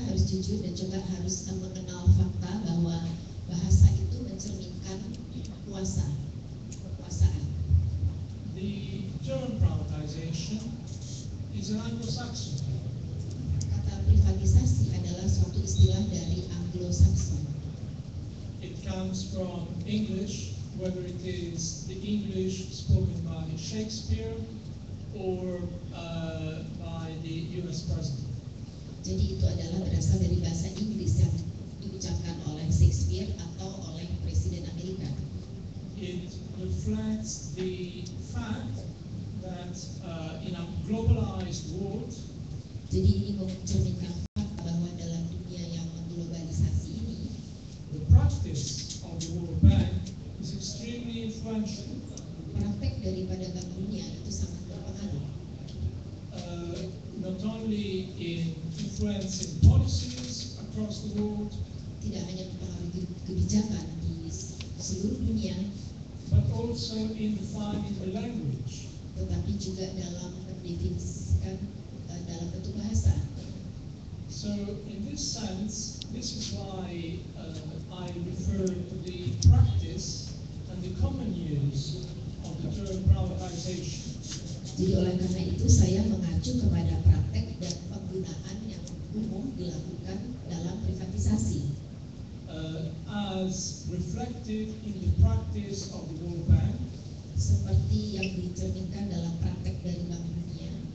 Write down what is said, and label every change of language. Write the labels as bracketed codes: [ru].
[id] jujur dan juga harus mengenal fakta bahwa bahasa itu mencerminkan kuasa, kekuasaan. [en] The term privatization is an Anglo-Saxon. [id] Kata privatisasi adalah suatu istilah dari Anglo-Saxon. [en] It comes from English, whether it is the English spoken by Shakespeare or by the US president. [id] Jadi itu adalah berasal dari bahasa Inggris yang diucapkan oleh Shakespeare atau oleh Presiden Amerika. [en] It reflects the fact that in a globalized world. [id] Jadi ini mencerminkan fakta bahwa dalam dunia yang mengglobalisasi ini, [en] the practice of the World Bank is extremely influential. [id] Praktek daripada Bank Dunia itu sangat berpengaruh. [en] Not only in influencing policies across the world, [id] tidak hanya mempengaruhi kebijakan di seluruh dunia, [en] but also in defining the language, [id] tetapi juga dalam mendefinisikan dalam bentuk bahasa. [en] So in this sense, this is why I refer to the practice and the common use of the term privatization. [id] Jadi oleh karena itu saya mengacu kepada praktek dan penggunaan yang umum dilakukan dalam privatisasi. [en] As reflected in the practice of the World Bank, [id] seperti yang dicerminkan dalam praktek dari Bank Dunia,